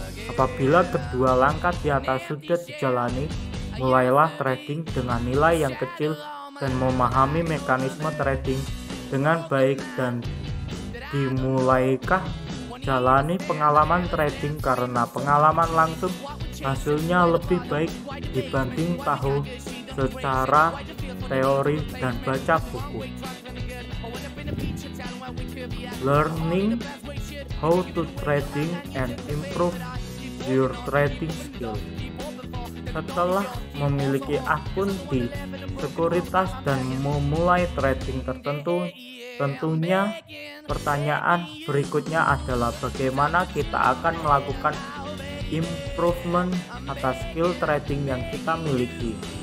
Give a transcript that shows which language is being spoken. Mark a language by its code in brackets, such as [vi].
[id] Apabila kedua langkah di atas sudah dijalani, mulailah trading dengan nilai yang kecil dan memahami mekanisme trading dengan baik. Dan dimulaikah jalani pengalaman trading, karena pengalaman langsung hasilnya lebih baik dibanding tahu secara teori dan baca buku. [en] Learning how to trading and improve your trading skill. [id] Setelah memiliki akun di sekuritas dan memulai trading tertentu, tentunya pertanyaan berikutnya adalah bagaimana kita akan melakukan improvement atas skill trading yang kita miliki.